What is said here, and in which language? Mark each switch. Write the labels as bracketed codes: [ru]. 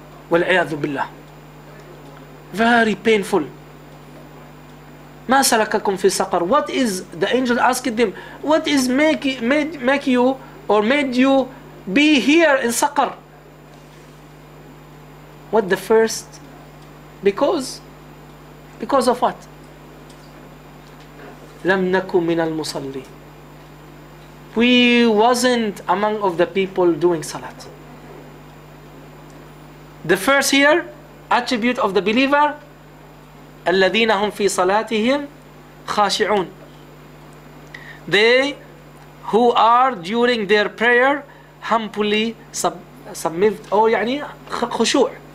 [ar] وَالْعِيَاذُ بِاللَّهِ. [en] Very painful. [ar] مَا سَلَكَكُمْ فِي سَقَر. [en] What is, the angel asked them, what is make you or made you be here in Saqar? What the first? Because of what? [ar] لم نكن من المصلين. [en] we wasn't among of the people doing salat. The first here, attribute of the believer, [ar] الَّذِينَ هُمْ فِي صَلَاتِهِمْ خَاشِعُونَ. [en] They who are during their prayer humbly submit, or [ar] يعني خشوع.